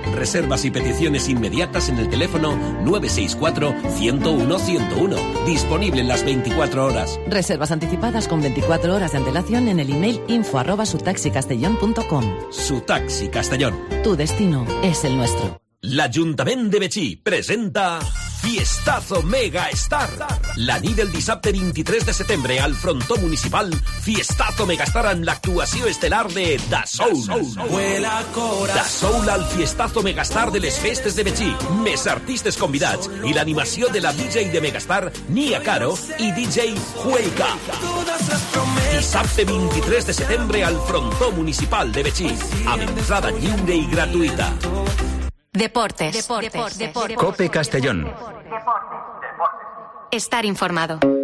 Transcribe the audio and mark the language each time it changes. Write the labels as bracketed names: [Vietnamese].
[Spanish] Reservas y peticiones inmediatas en el teléfono 964-101-101. Disponible en las 24 horas. Reservas anticipadas con 24 horas de antelación en el email info@sutaxicastellon.com. Su taxi Castellón. Tu destino es el nuestro. [Catalan] La Ayuntament de Betxí presenta Fiestazo Mega Star. La nit del dissabte 23 de setembre al frontó municipal, Fiestazo Mega Star amb l'actuació estel·lar de Da Soul. Da Soul al Fiestazo Mega Star de les festes de Betxí. Més artistes convidats i l'animació de la DJ de Mega Star, Nia Caro, i DJ Hueca. I [Spanish] sábado 23 de septiembre al frontó municipal de Betis. A entrada libre y gratuita. Deportes. COPE Castellón. Deportes. Estar informado.